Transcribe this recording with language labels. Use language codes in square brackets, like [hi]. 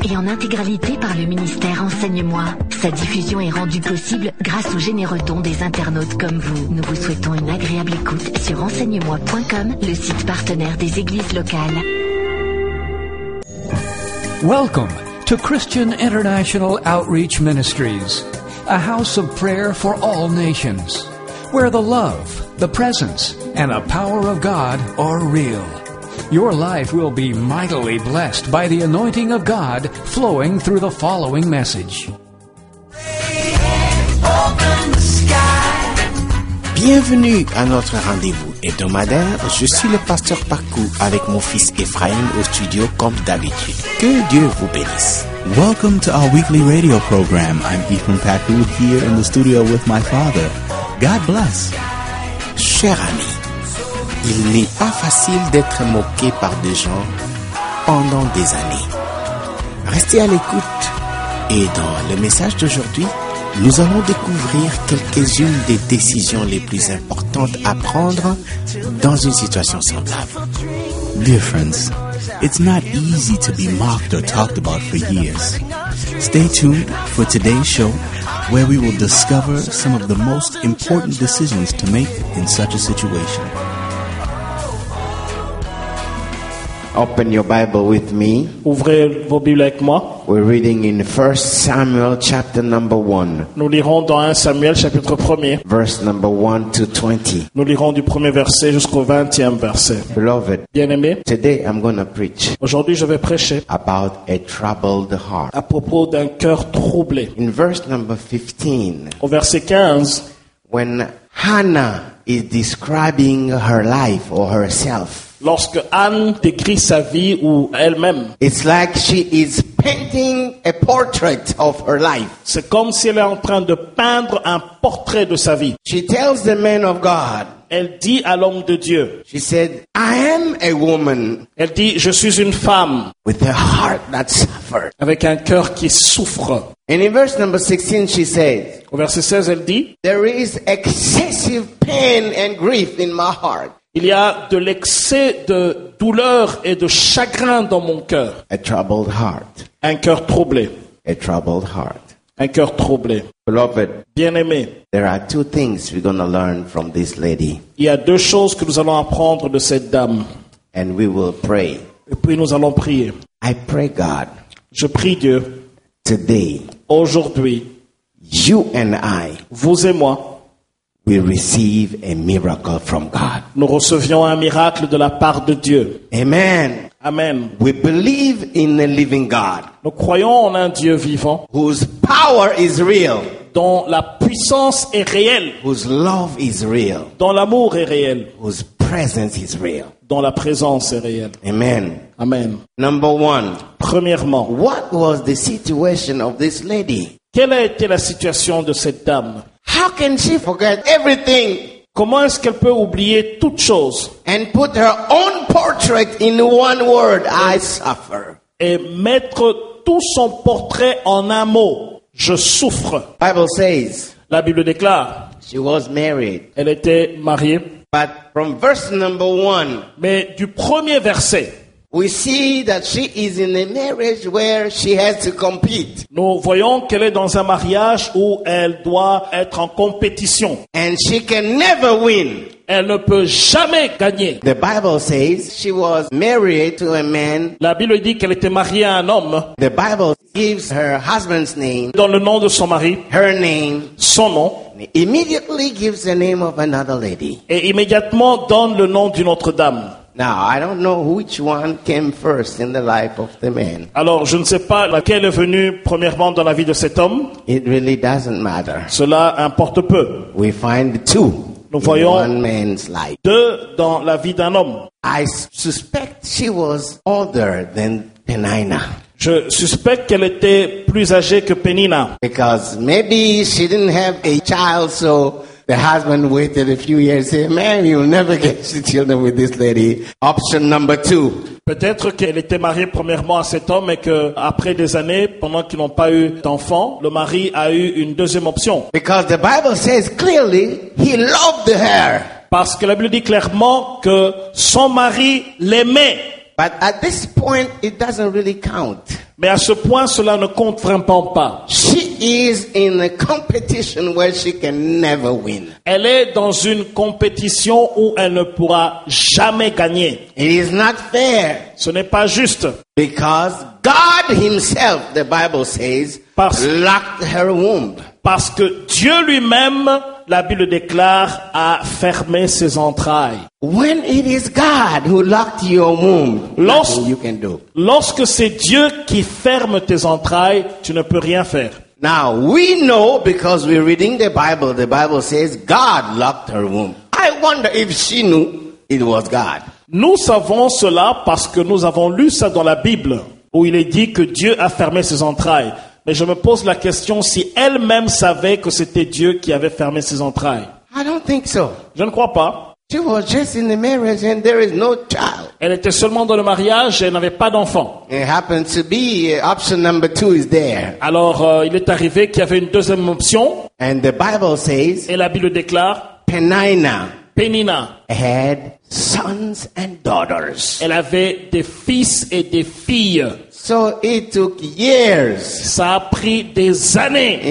[fr] Et en intégralité par le ministère Enseigne-moi. Sa diffusion est rendue possible grâce aux généreux dons des internautes comme vous. Nous vous souhaitons une agréable écoute sur enseignemoi.com, le site partenaire des églises locales. [en] Welcome to Christian International Outreach Ministries, a house of prayer for all nations, where the love, the presence, and the power of God are real. Your life will be mightily blessed by the anointing of God flowing through the following message. [fr] Bienvenue à notre rendez-vous hebdomadaire. Je suis le pasteur Pakou avec mon fils Ephraim au studio comme d'habitude. Que Dieu vous bénisse. [en] Welcome to our weekly radio program. I'm Ephraim Pakou here in the studio with my father. God bless. [fr] Cher ami, il n'est pas facile d'être moqué par des gens pendant des années. Restez à l'écoute et dans le message d'aujourd'hui, nous allons découvrir quelques-unes des décisions les plus importantes à prendre dans une situation semblable. [en] Dear friends, it's not easy to be mocked or talked about for years. Stay tuned for today's show, where we will discover some of the most important decisions to make in such a situation. Open your Bible with me. [fr] Ouvrez vos Bibles avec moi. [en] We're reading in 1 Samuel chapter number 1. [fr] Nous lirons dans 1 Samuel chapitre 1er. [en] Verse number 1 to 20. [fr] Nous lirons du premier verset jusqu'au 20e verset. [en] Beloved, [fr] bien-aimé, [en] today I'm going to preach. [fr] Aujourd'hui, je vais prêcher [en] about a troubled heart. [fr] À propos d'un cœur troublé. [en] In verse number 15. [fr] Au verset 15, [en] when Hannah is describing her life or herself. [fr] Lorsque Anne décrit sa vie ou elle-même. [en] It's like she is painting a portrait of her life. [fr] C'est comme si elle est en train de peindre un portrait de sa vie. [en] She tells the man of God. [fr] Elle dit à l'homme de Dieu. [en] She said, I am a woman. [fr] Elle dit, je suis une femme. [en] With a heart that suffers. [fr] Avec un cœur qui souffre. [en] And in verse number 16, she said. [fr] Au verset 16, elle dit. [en] There is excessive pain and grief in my heart. [fr] Il y a de l'excès de douleur et de chagrin dans mon cœur. [en] A troubled heart. [fr] Un cœur troublé. [en] A troubled heart. [fr] Un cœur troublé. [en] Beloved, [fr] bien-aimé. [en] There are two things we're going to learn from this lady. [fr] Il y a deux choses que nous allons apprendre de cette dame. [en] And we will pray. [fr] Et puis nous allons prier. [en] I pray God. [fr] Je prie Dieu. [en] Today. [fr] Aujourd'hui. [en] You and I. [fr] Vous et moi. [en] We receive a miracle from God. [fr] Nous recevions un miracle de la part de Dieu. [en] Amen. [fr] Amen. [en] We believe in a living God. [fr] Nous croyons en un Dieu vivant. [en] Whose power is real. [fr] Dont la puissance est réelle. [en] Whose love is real. [fr] Dont l'amour est réel. [en] Whose presence is real. [fr] Dont la présence est réelle. [en] Amen. [fr] Amen. [en] Number one. [fr] Premièrement. [en] What was the situation of this lady? [fr] Quelle a été la situation de cette dame? [en] How can she forget everything? [fr] Comment est-ce qu'elle peut oublier toute chose? [en] And put her own portrait in one word, I suffer. [fr] Et mettre tout son portrait en un mot, je souffre. [en] Bible says. [fr] La Bible déclare. [en] She was married. [fr] Elle était mariée. [en] But from verse number one. [fr] Mais du premier verset. [en] We see that she is in a marriage where she has to compete. [fr] Nous voyons qu'elle est dans un mariage où elle doit être en compétition. [en] And she can never win. [fr] Elle ne peut jamais gagner. [en] The Bible says she was married to a man. [fr] La Bible dit qu'elle était mariée à un homme. [en] The Bible gives her husband's name. [fr] Donne le nom de son mari. [en] Her name. [fr] Son nom. [en] Immediately gives the name of another lady. [fr] Et immédiatement donne le nom d'une autre dame. [en] Now, I don't know which one came first in the life of the man. [fr] Alors, je ne sais pas laquelle est venue premièrement dans la vie de cet homme. [en] It really doesn't matter. [fr] Cela importe peu. [en] We find two. [fr] Nous voyons [en] in one man's life. [fr] Deux dans la vie d'un homme. [en] I suspect she was older than Penina. [fr] Je suspecte qu'elle était plus âgée que Penina. [en] Because maybe she didn't have a child, so the husband waited a few years and said, man, you'll never get the children with this lady. Option number two. [fr] Peut-être qu'elle était mariée premièrement à cet homme et que après des années, pendant qu'ils n'ont pas eu d'enfants, le mari a eu une deuxième option. [en] Because the Bible says clearly he loved her. [fr] Parce que la Bible dit clairement que son mari l'aimait. [en] But at this point, it doesn't really count. [fr] Mais à ce point, cela ne compte vraiment pas. [en] She is in a competition where she can never win. [fr] Elle est dans une compétition où elle ne pourra jamais gagner. [en] It is not fair. [fr] Ce n'est pas juste. [en] Because God himself, the Bible says, locked her womb. [fr] Parce que Dieu lui-même, la Bible déclare, a fermé ses entrailles. [en] When it is God who locked your womb, nothing you can do. [fr] Lorsque c'est Dieu qui ferme tes entrailles, tu ne peux rien faire. [en] Now we know because we're reading the Bible says God locked her womb. I wonder if she knew it was God. [fr] Nous savons cela parce que nous avons lu ça dans la Bible où il est dit que Dieu a fermé ses entrailles. Mais je me pose la question si elle-même savait que c'était Dieu qui avait fermé ses entrailles. [en] I don't think so. [fr] Je ne crois pas. [en] She was just in the marriage and there is no child. [fr] Elle était seulement dans le mariage et n'avait pas d'enfant. [en] It happened to be option number two is there. [fr] Alors, il est arrivé qu'il y avait une deuxième option. [en] And the Bible says, [fr] et la Bible déclare, [en] Penina had sons and daughters. [fr] Elle avait des fils et des filles. [en] So it took years. [fr] Ça a pris des années.